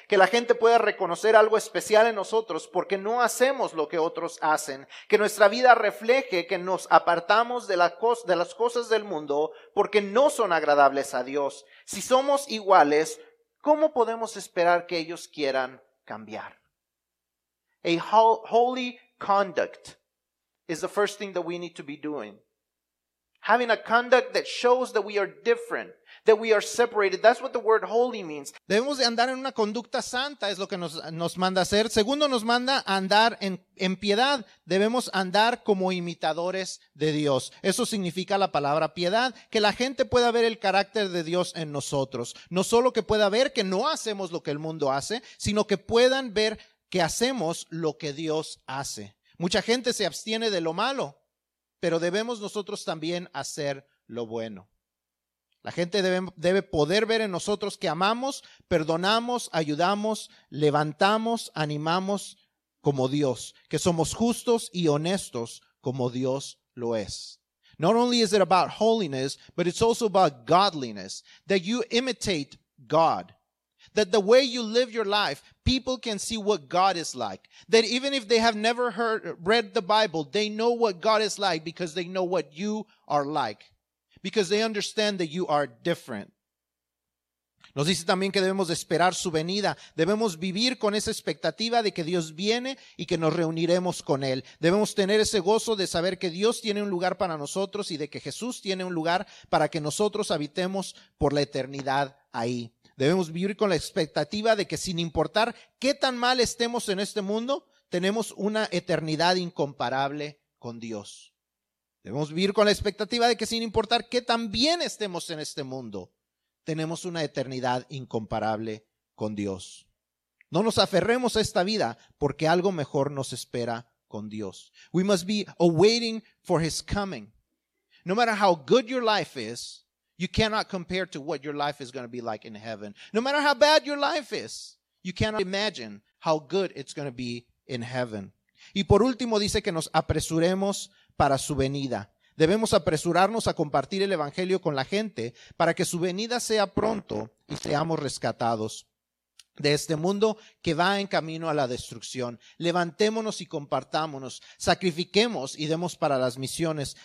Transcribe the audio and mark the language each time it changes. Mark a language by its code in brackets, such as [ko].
[es] Que la gente pueda reconocer algo especial en nosotros porque no hacemos lo que otros hacen. Que nuestra vida refleje que nos apartamos de las cosas del mundo porque no son agradables a Dios. Si somos iguales, ¿cómo podemos esperar que ellos quieran cambiar? [en] A holy conduct is the first thing that we need to be doing. Having a conduct that shows that we are different, that we are separated. That's what the word holy means. [es] Debemos de andar en una conducta santa, es lo que nos manda hacer. Segundo, nos manda andar en piedad. Debemos andar como imitadores de Dios. Eso significa la palabra piedad, que la gente pueda ver el carácter de Dios en nosotros. No solo que pueda ver que no hacemos lo que el mundo hace, sino que puedan ver que hacemos lo que Dios hace. Mucha gente se abstiene de lo malo, pero debemos nosotros también hacer lo bueno. La gente debe poder ver en nosotros que amamos, perdonamos, ayudamos, levantamos, animamos como Dios, que somos justos y honestos como Dios lo es. [en] Not only is it about holiness, but it's also about godliness, that you imitate God. That the way you live your life, people can see what God is like. That even if they have never heard, read the Bible, they know what God is like because they know what you are like. Because they understand that you are different. [es] Nos dice también que debemos esperar su venida. Debemos vivir con esa expectativa de que Dios viene y que nos reuniremos con Él. Debemos tener ese gozo de saber que Dios tiene un lugar para nosotros y de que Jesús tiene un lugar para que nosotros habitemos por la eternidad ahí. Debemos vivir con la expectativa de que sin importar qué tan mal estemos en este mundo, tenemos una eternidad incomparable con Dios. Debemos vivir con la expectativa de que sin importar qué tan bien estemos en este mundo, tenemos una eternidad incomparable con Dios. No nos aferremos a esta vida porque algo mejor nos espera con Dios. [en] We must be awaiting for His coming. No matter how good your life is, you cannot compare to what your life is going to be like in heaven. No matter how bad your life is, you cannot imagine how good it's going to be in heaven. [es] Y por último dice que nos apresuremos para su venida. Debemos apresurarnos a compartir el evangelio con la gente para que su venida sea pronto y seamos rescatados de este mundo que va en camino a la destrucción. Levantémonos y compartámonos. Sacrifiquemos y demos para las misiones.